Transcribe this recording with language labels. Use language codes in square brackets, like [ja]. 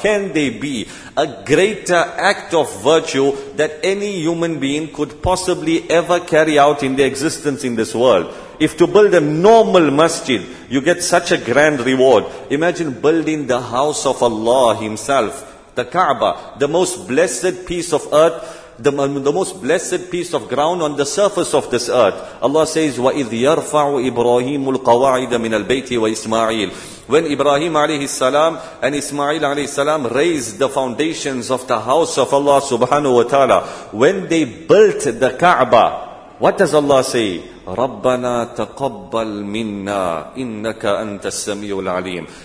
[en] Can there be a greater act of virtue that any human being could possibly ever carry out in their existence in this world? If to build a normal masjid, you get such a grand reward, imagine building the house of Allah Himself. The Kaaba, the most blessed piece of earth, the most blessed piece of ground on the surface of this earth. Allah says, [ar] وَإِذْ يَرْفَعُ إِبْرَاهِيمُ الْقَوَاعِدَ مِنَ الْبَيْتِ وَإِسْمَاعِيلِ. [en] When Ibrahim alayhi salam and Ismail alayhi salam raised the foundations of the house of Allah subhanahu wa ta'ala, when they built the Kaaba, what does Allah say? [ar] رَبَّنَا تَقَبَّلْ مِنَّا إِنَّكَ أَنْتَ السَّمِيعُ الْعَلِيمُ.